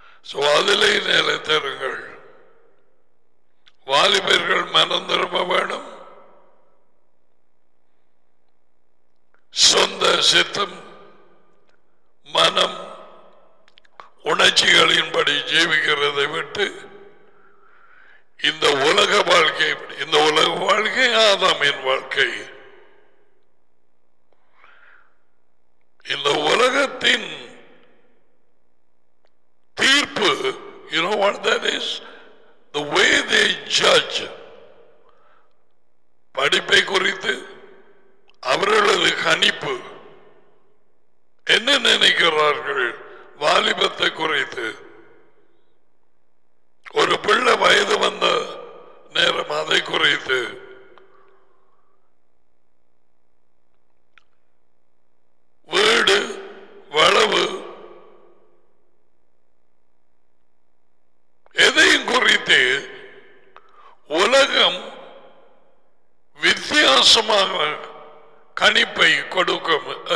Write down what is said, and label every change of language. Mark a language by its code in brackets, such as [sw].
[ta] So அதிலே நிலைத்தருங்கள். வாலிபர்கள் மனம் திரும்ப வேணும், சொந்த சித்தம் மனம் உணர்ச்சிகளின்படி ஜீவிக்கிறதை விட்டு இந்த உலக வாழ்க்கை, இந்த உலக வாழ்க்கை ஆதாமின் வாழ்க்கை, இந்த உலகத்தின் தீர்ப்பு, [en] you know what that is? The way they judge. [ta] படிப்பை குறித்து அவர்களது கணிப்பு, என்ன நினைக்கிறார்கள்? வாலிபத்தை குறித்து, ஒரு பிள்ளை வயது வந்த நேரம் அதை குறித்து, வீடு வளவு எதையும் குறித்து உலகம் வித்தியாசமாக கணிப்பை கொடுக்கும்.